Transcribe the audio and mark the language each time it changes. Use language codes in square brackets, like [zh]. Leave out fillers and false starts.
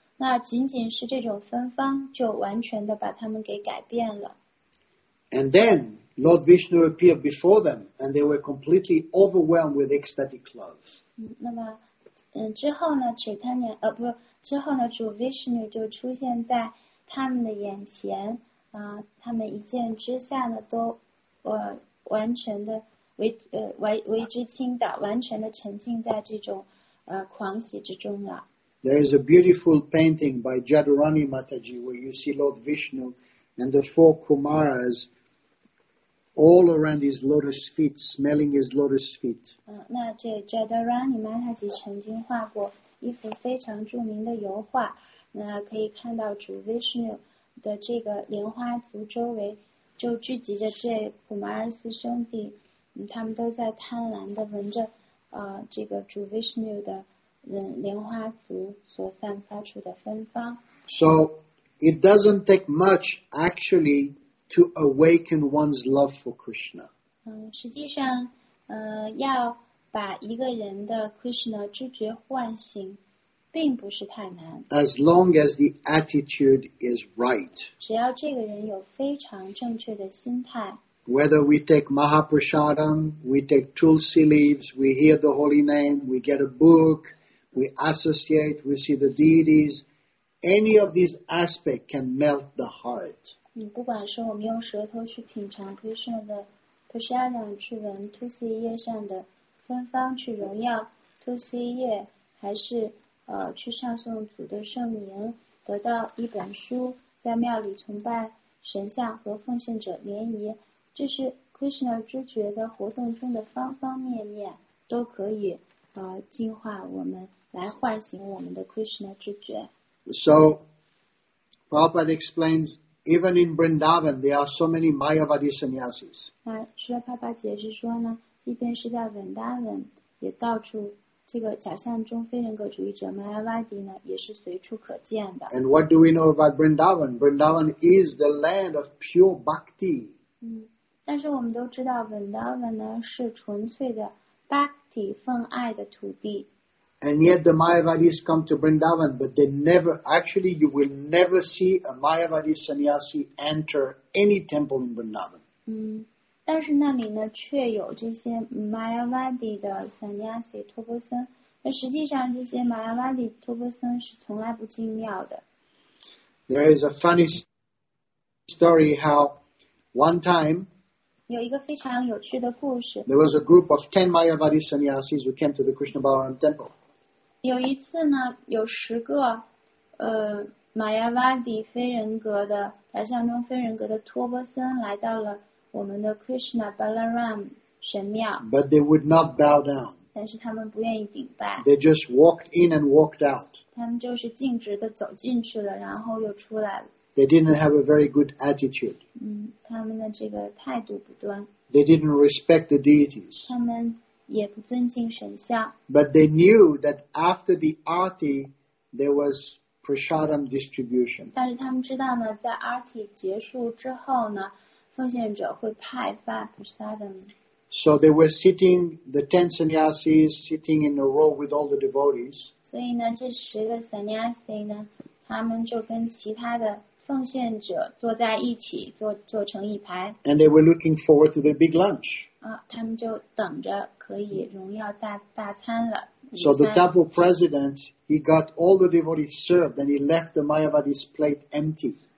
[zh] 那仅仅是这种芬芳，就完全的把他们给改变了。 [en] And then Lord Vishnu appeared before them, and they were completely overwhelmed with ecstatic love. [zh] 那么之后呢，主 Vishnu 就出现在他他们的眼前啊，他们一见之下呢，都完全的为之倾倒，完全的沉浸在这种狂喜之中了。 [en] There is a beautiful painting by Jadurani Mataji where you see Lord Vishnu and the four Kumaras all around his lotus feet, smelling his lotus feet. [zh] 那这 Jadurani Mataji 曾经画过一幅非常著名的油画，那可以看到主 Vishnu 的这个莲花足周围就聚集着这普马尔斯兄弟，他们都在贪婪地闻着这个主 Vishnu 的莲花足所散发出的芬芳。 [en] So it doesn't take much actually to awaken one's love for Krishna. [zh] 实际上要把一个人的 Krishna 知觉唤醒并不是太难。 [en] As long as the attitude is right. [zh] 只要这个人有非常正确的心态。 [en] Whether we take Mahaprasadam, we take tulsi leaves, we hear the holy name, we get a book,We associate, we see the deities. Any of these aspects can melt the heart. [zh] 不管是我们用舌头去品尝 Krishna 的 Prasadam 去闻 Tulsi 叶上的芬芳去荣耀 Tulsi 叶，还是去上诵主的圣名，得到一本书，在庙里崇拜神像和奉献者联谊，这是 Krishna 知觉的活动中的方方面面都可以。净化我们，来唤醒我们的 Krishna 知觉。 [en] So, Prabhupada explains, even in Vrindavan, there are so many Mayavadi sannyasis. [zh] 那爸爸解释说呢，即便是在 Vrindavan, 也到处这个假象中非人格主义者 Mayavadi 呢，也是随处可见的。 [en] And what do we know about Vrindavan? Vrindavan is the land of pure bhakti. [zh] 但是我们都知道 Vrindavan 呢是纯粹的。 Bhakti, 奉爱的土地。 [en] And yet the Mayavadis come to Vrindavan, but they never, actually you will never see a Mayavadi sannyasi enter any temple in Vrindavan. [zh] 但是那里呢却有这些 Mayavadi 的 sannyasi, 托钵僧。但实际上这些 Mayavadi 托钵僧是从来不进庙的。 [en] There is a funny story how one time, [zh] 有一个非常有趣的故事。 [en] There was a group of 10 Mayavadi sannyasis who came to the Krishna Balaram temple. [zh] 有一次呢，有十个Mayavadi 非人格的假象中非人格的托钵僧来到了我们的 Krishna Balaram 神庙。 [en] But they would not bow down. [zh] 但是他们不愿意顶拜。 [en] They just walked in and walked out. [zh] 他们就是径直的走进去了，然后又出来了。 [en] They didn't have a very good attitude. [zh] 他们的这个态度不端。 [en] They didn't respect the deities. [zh] 他们也不尊敬神像。 [en] But they knew that after the arti, there was prasadam distribution. [zh] 但是他们知道呢，在 arti 结束之后呢，奉献者会派发 prasadam。 [en] So they were sitting, the 10 sannyasis sitting in a row with all the devotees. [zh] 所以呢，这十个 sannyasi 呢，他们就跟其他的奉献者坐在一起，坐成一排。 [en] And they were looking forward to the big lunch. [zh] 他们就等着可以荣耀大餐了。 [en] So the temple president, he got all the devotees served, and he left the Mayavadi's plate empty.